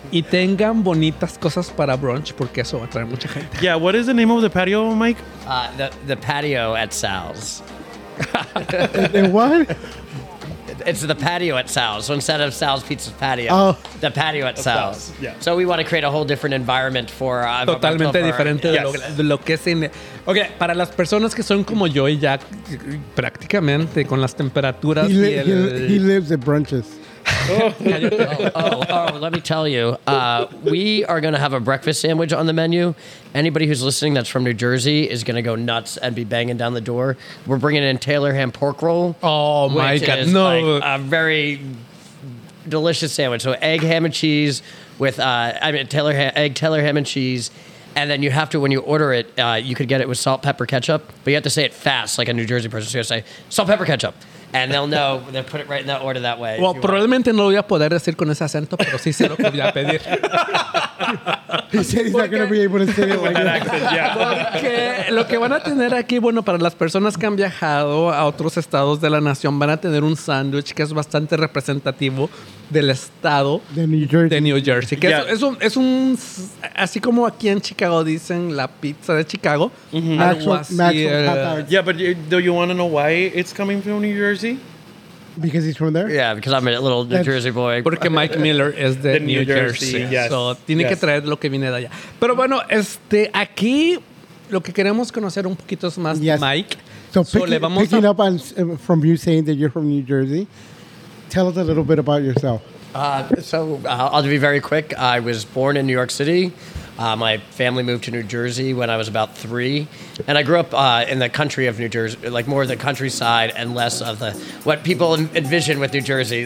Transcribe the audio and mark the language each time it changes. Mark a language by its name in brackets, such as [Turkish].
[Spanish] Y tengan bonitas cosas para brunch, porque eso va a traer mucha gente. [English] Yeah, what is the name of the patio, Mike? The patio at Sal's. The what? It's the patio at Sal's. So instead of Sal's Pizza Patio, the patio at Sal's. Yeah. So we want to create a whole different environment for... [Spanish] Totalmente diferente de lo que es... Okay, para las personas que son como yo y ya prácticamente con las temperaturas... [English] He lives at brunches. Let me tell you. We are going to have a breakfast sandwich on the menu. Anybody who's listening that's from New Jersey is going to go nuts and be banging down the door. We're bringing in Taylor Ham pork roll. Oh, my God. No. Like a very delicious sandwich. So egg, ham, and cheese with, Taylor ham and cheese. And then you have to, when you order it, you could get it with salt, pepper, ketchup. But you have to say it fast, like a New Jersey person. So you have to say, salt, pepper, ketchup. And they'll know, they'll put it right in that order that way. [Spanish] Well, probablemente no lo voy a poder decir con ese acento, pero sí sé lo que voy a pedir. [English] He said he's not going to be able to say it like that. [Spanish] Porque lo que van a tener aquí, bueno, para las personas que han viajado a otros estados de la nación, van a tener un sándwich que es bastante representativo del estado de New Jersey. Que yeah. es un, así como aquí en Chicago dicen la pizza de Chicago. [English] Mm-hmm. Maxwell. Yeah, but do you want to know why it's coming from New Jersey? Because he's from there? Yeah, because I'm a little New Jersey boy. [Spanish] Porque Mike Miller es de New Jersey. [English] Yes. [Spanish] So tiene que traer lo que viene de allá. Pero bueno, aquí lo que queremos conocer un poquito más de Mike. [English] So picking up from you saying that you're from New Jersey, tell us a little bit about yourself. I'll be very quick. I was born in New York City. My family moved to New Jersey when I was about 3. And I grew up in the country of New Jersey, like more of the countryside and less of the what people envision with New Jersey.